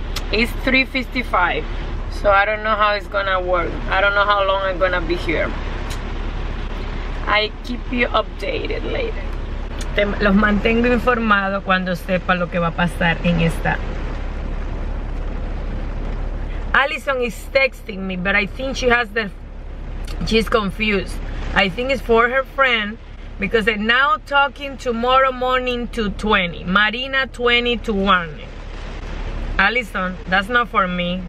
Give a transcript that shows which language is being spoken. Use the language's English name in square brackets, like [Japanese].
[English] It's 3:55, so I don't know how it's gonna work. I don't know how long I'm gonna be here. I keep you updated later. [Spanish] Los mantengo informados cuando sepa lo que va a pasar en esta. [English] Allison is texting me, but I think she's confused. I think it's for her friend, because they're now talking tomorrow morning to 20. Marina 20 to 1. Allison, that's not for me.